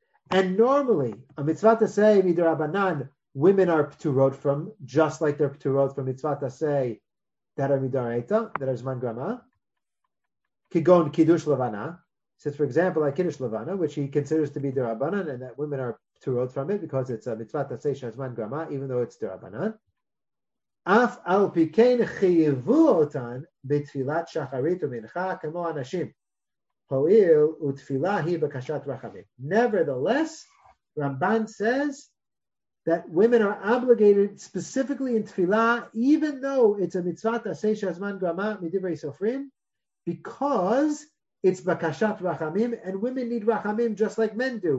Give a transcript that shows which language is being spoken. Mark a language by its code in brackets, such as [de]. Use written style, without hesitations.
[en] And normally, a mitzvah to say midrabanan, women are pturot from, just like they're pturot from mitzvah to say that are midaraita, that are zman grama, kigon kiddush levana. Says, for example, like kiddush levana, which he considers to be midrabanan, and that women are pturot from it because it's a mitzvah to say shazman grama, even though it's midrabanan. [he] אף על פי כן חייבו אותן בתפילת שחרית ומנחה כמו אנשים. הועיל ותפילה היא בקשת רחמים. [en] Nevertheless, Ramban says that women are obligated specifically in tefillah, even though it's a mitzvah tasei shazman grama midivrei sofrim, because it's bakashat rachamim, and women need rachamim just like men do.